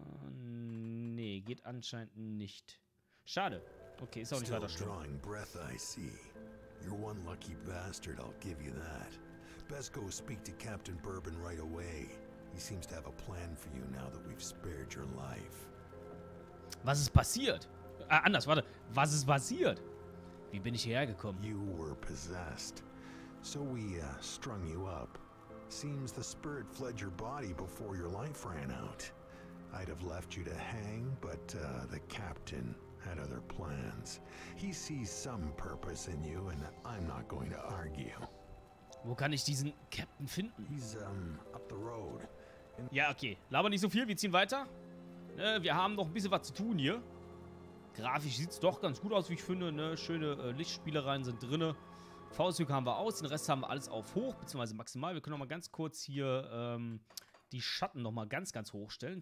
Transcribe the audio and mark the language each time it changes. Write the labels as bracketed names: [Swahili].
[German] Nee, geht anscheinend nicht. Schade. Okay, ist auch nicht weiter schlimm. [English] Drawing breath, I see. You're one lucky bastard, I'll give you that. Best go speak to Captain Bourbon right away. He seems to have a plan for you now that we've spared your life. [German] Was ist passiert? Anders, warte. Was ist passiert? Wie bin ich hierher gekommen? [English] You were possessed. So we strung you up. Seems the spirit fled your body before your life ran out. I'd have left you to hang, but the captain had other plans. He sees some purpose in you and I'm not going to argue. [German] Wo kann ich diesen Captain finden? [English] He's, up the road. [German] Ja, okay. Laber nicht so viel, wir ziehen weiter. Wir haben noch ein bisschen was zu tun hier. Grafisch sieht es doch ganz gut aus, wie ich finde. Ne? Schöne Lichtspielereien sind drin. Faustzüge haben wir aus, den Rest haben wir alles auf hoch, beziehungsweise maximal. Wir können noch mal ganz kurz hier die Schatten noch mal ganz, ganz hoch stellen.